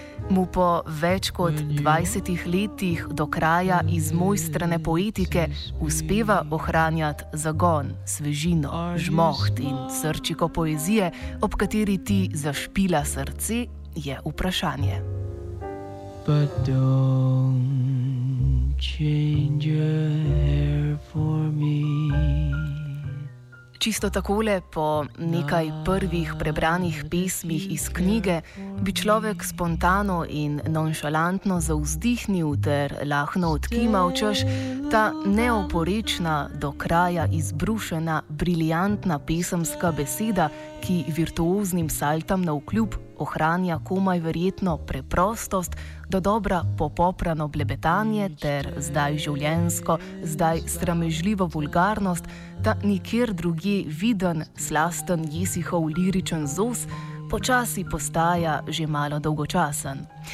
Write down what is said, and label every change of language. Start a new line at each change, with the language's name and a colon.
Slovenian: Mu po več kot 20 letih do kraja iz mojstrene poetike uspeva ohranjati zagon, svežino, žmoht in srčiko poezije, ob kateri ti zašpila srce, je vprašanje.
English: But don't change your hair for me.
Slovenian: Čisto takole po nekaj prvih prebranih pesmih iz knjige bi človek spontano in nonšalantno zavzdihnil ter lahno odkimal, češ ta neoporečna, do kraja izbrušena, briljantna pesemska beseda, ki virtuoznim saltam navkljub ohranja komaj verjetno preprostost, dodobra popoprano blebetanje ter zdaj življenjsko, zdaj sramežljivo vulgarnost, ta nikjer drugje viden, slasten Jesihov liričen zos, počasi postaja že malo dolgočasen.